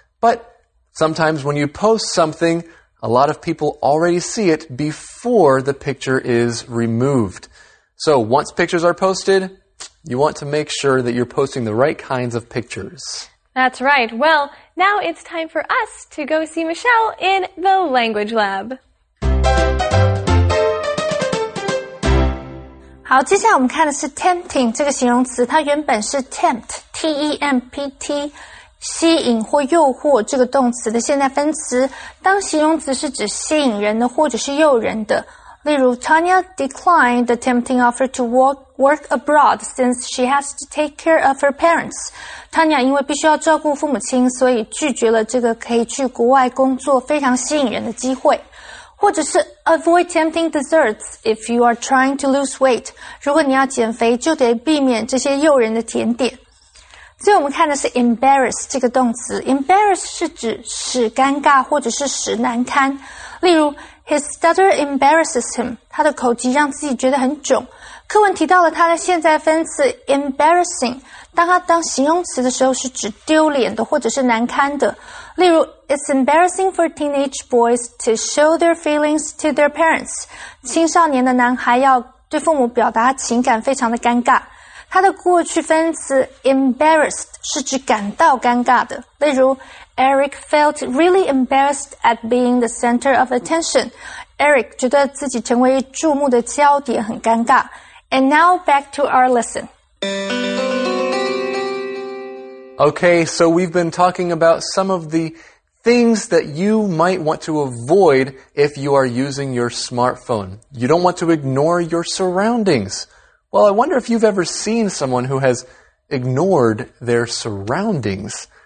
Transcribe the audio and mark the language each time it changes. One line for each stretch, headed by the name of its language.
English: But sometimes when you post something, a lot of people already see it before the picture is removed. So once pictures are posted, you want to make sure that you're posting the right kinds of pictures. That's right. Well, now it's time for us to go see Michelle in the language lab.
Chinese: 好，接下来我们看的是 tempting 这个形容词，它原本是 tempt, T-E-M-P-T, 吸引或诱惑这个动词的现在分词。当形容词是指吸引人的或者是诱人的。例如
English: Tanya declined the tempting offer to work abroad since she has to take care of her parents.
Chinese: Tanya 因为必须要照顾父母亲，所以拒绝了这个可以去国外工作非常吸引人的机会。或者是
English: avoid tempting desserts if you are trying to lose weight.
Chinese: 如果你要减肥，就得避免这些诱人的甜点。所以我们看的是 embarrass 这个动词。embarrass 是指使尴尬或者是使难堪。例如 ,
English: his stutter embarrasses him,
Chinese: 他的口疾让自己觉得很窘。课文提到了他的现在分词 embarrassing, 当他当形容词的时候是指丢脸的或者是难堪的。例如 ,
English: it's embarrassing for teenage boys to show their feelings to their parents,
Chinese: 青少年的男孩要对父母表达情感非常的尴尬。它的过去分词 embarrassed 是指感到尴尬的。例如
English: ,Eric felt really embarrassed at being the center of attention.
Chinese: Eric 觉得自己成为注目的焦点很尴尬。
English: And now back to our lesson. Okay, so we've been talking about some of the things that you might want to avoid if you are using your smartphone. You don't want to ignore your surroundings. Well, I wonder if you've ever seen someone who has ignored their surroundings.